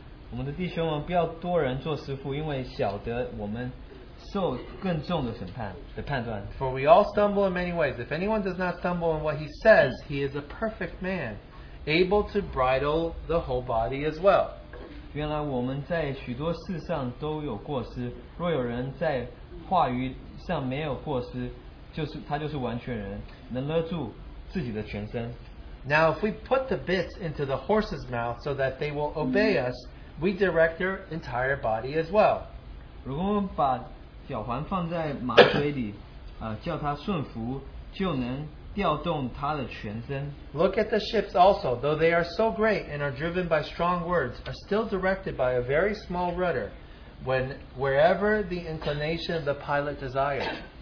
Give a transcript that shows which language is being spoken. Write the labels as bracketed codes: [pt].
[zh] 我们的弟兄们不要多人做师傅因为晓得我们 [en] For we all stumble in many ways. If anyone does not stumble in what he says, he is a perfect man, able to bridle the whole body as well. [zh] 原来我们在许多事上都有过失，若有人在话语上没有过失，就是他就是完全人，能勒住自己的全身。 [en] Now, if we put the bits into the horse's mouth so that they will obey us, we direct their entire body as well. [zh] 如果我们把脚环放在马嘴里，叫它顺服，就能调动它的全身。 [en] Look at the ships also, though they are so great and are driven by strong words, are still directed by a very small rudder, wherever the inclination of the pilot desires.